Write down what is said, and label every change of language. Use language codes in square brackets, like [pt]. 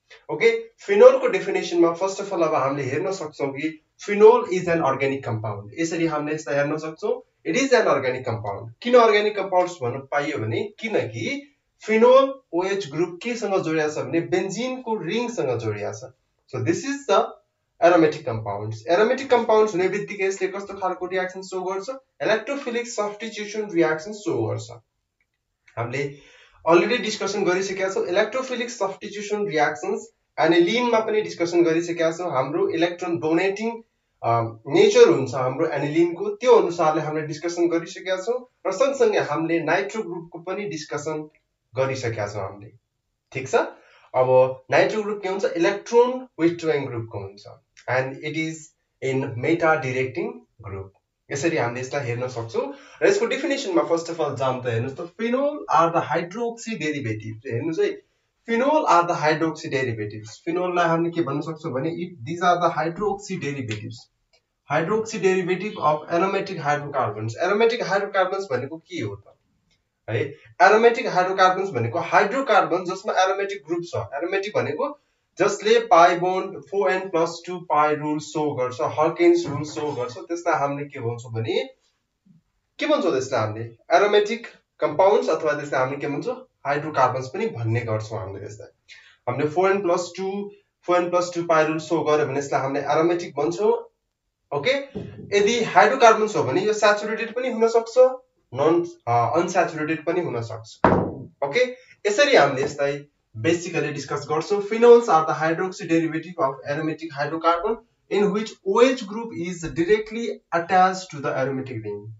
[ne] Okay, फिनोलको डेफिनेसनमा first of all अब हामीले हेर्न सक्छौँ कि [en] Phenol is an organic compound. [ne] यसरी हामीले यसलाई हेर्न सक्छौँ, [en] It is an organic compound. [ne] किन अर्ग्यानिक कम्पाउन्ड भन्नु पाइयो भने किनकि फिनोल ओएच ग्रुप केसँग जोडिया छ भने बेन्जिनको रिङसँग जोडिया छ। [en] So this is the aromatic compound. [ne] Aromatic compound हुने बित्तिकै यसले कस्तो खालको रियाक्सन सो गर्छ, इलेक्ट्रोफिलिक सब्स्टिट्युसन रियाक्सन सो गर्छ। हामीले अलरेडी डिस्कसन गरिसकेका छौँ इलेक्ट्रोफिलिक सब्स्टिट्युसन रियाक्सन्स, एनिलिनमा पनि डिस्कसन गरिसकेका छौँ। हाम्रो इलेक्ट्रोन डोनेटिङ नेचर हुन्छ हाम्रो एनिलिनको, त्यो अनुसारले हामीले डिस्कसन गरिसकेका छौँ र सँगसँगै हामीले नाइट्रो ग्रुपको पनि डिस्कसन गरिसकेका छौँ हामीले, ठिक छ? अब नाइट्रो ग्रुप के हुन्छ, इलेक्ट्रोन विथड्रइङ ग्रुपको हुन्छ [en] And it is in meta directing group. [ne] यसरी हामीले यसलाई हेर्न सक्छौँ र यसको डेफिनेसनमा फर्स्ट अफ अल जाम त हेर्नुहोस् त, [en] Phenol are the hydroxy derivative. [ne] हेर्नुहोस् है, [en] Phenol are the hydroxy derivatives. [ne] फिनोललाई हामीले के भन्न सक्छौँ भने [en] It these are the hydroxy derivatives, hydroxy derivative of aromatic hydrocarbons. [ne] Aromatic hydrocarbons भनेको के हो त है, एरोमेटिक हाइड्रोकार्बन्स भनेको हाइड्रोकार्बन जसमा एरोमेटिक ग्रुप छ। एरोमेटिक भनेको जसले पाई बोन्ड 4n+2 पाई रुल सो गर्छ, हर्किन्स रुल सो गर्छ, त्यसलाई हामीले के भन्छौँ भने के भन्छौँ त्यसलाई हामीले एरोमेटिक कम्पाउन्ड्स अथवा त्यसलाई हामीले के भन्छौँ हाइड्रोकार्बन्स पनि भन्ने गर्छौँ हामीले। त्यसलाई हामीले 4n+2 पाई रुल सो गर्यो भने यसलाई हामीले एरोमेटिक भन्छौँ। ओके, यदि हाइड्रोकार्बन्स हो भने यो सेचुरेटेड पनि हुनसक्छ, नन अनसेचुरेटेड पनि हुनसक्छ। ओके, यसरी हामीले यसलाई बेसिकली डिस्कस गर्छौँ। [en] Phenols are the hydroxy derivative of aromatic hydrocarbon in which OH group is directly attach to the aromatic ring.